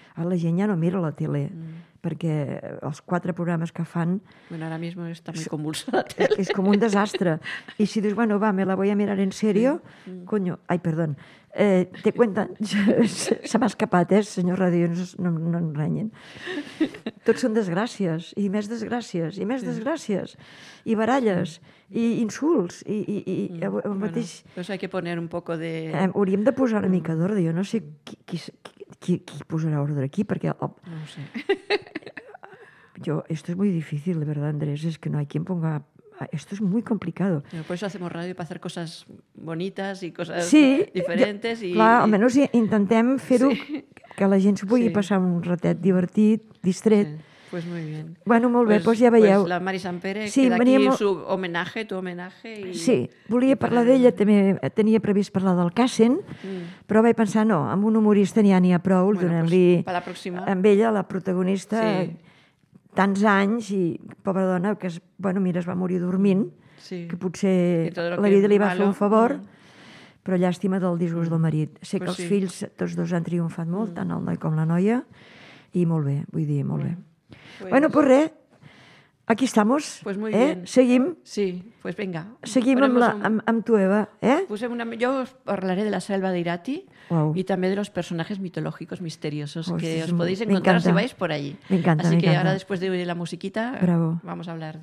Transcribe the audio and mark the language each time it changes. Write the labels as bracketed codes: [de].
[ca] Ara la gent ja no mira la tele. Perquè els quatre programes que fan... [es] Bueno, ara mismo está muy convulsa la tele. [ca] És com un desastre. I si dius, [es] bueno, va, me la voy a mirar en serio, coño, ay, perdón, te cuentan... [ca] Se m'ha escapat, senyor Radio, no em renyen. Tots són desgràcies, i més desgràcies, i més desgràcies, i baralles, i insults, i el mateix... [es] Pues hay que poner un poco de... [ca] Hauríem de posar una mica d'ordre, jo no sé qui posarà ordre aquí, perquè... No sé. [es] Yo, esto es muy difícil, de verdad, Andrés, es que no hay quien ponga... Esto es muy complicado. Por eso hacemos radio, para hacer cosas bonitas y cosas sí, diferentes. [ca] Sí, clar, almenys intentem fer-ho, sí, que la gent s'ho pugui passar un ratet divertit, distret. Sí. [es] Pues muy bien. [ca] Bueno, molt bé, pues ja veieu. Pues la Mari Sampere, sí, queda aquí molt... [es] su homenaje, tu homenaje. [ca] I... Sí, volia parlar d'ella, també tenia previst parlar del Kassen, però vaig pensar, no, amb un humorista n'hi ha prou, bueno, donem-li... Pues, per la pròxima. Amb ella, la protagonista, sí. Tants anys, i pobra dona, que es, bueno, mira, es va morir dormint, sí. Que potser la vida li va fer un favor... Mm. Però llàstima del disgust del marit. Sé que els fills, tots dos, han triomfat molt, tant el noi com la noia, i molt bé, vull dir, molt bé. Bueno, pues res, [es] aquí estamos. Pues muy [ca] bien. Seguim. [es] Sí, pues venga. [ca] Seguim amb, la, amb tu, Eva. Posem una, jo us parlaré de la selva d'Irati i també de [es] los personajes mitológicos misteriosos que os podéis encontrar si vais por allí. [ca] M'encanta, m'encanta. [es] Así que ahora, después de oír la musiquita, vamos a hablar.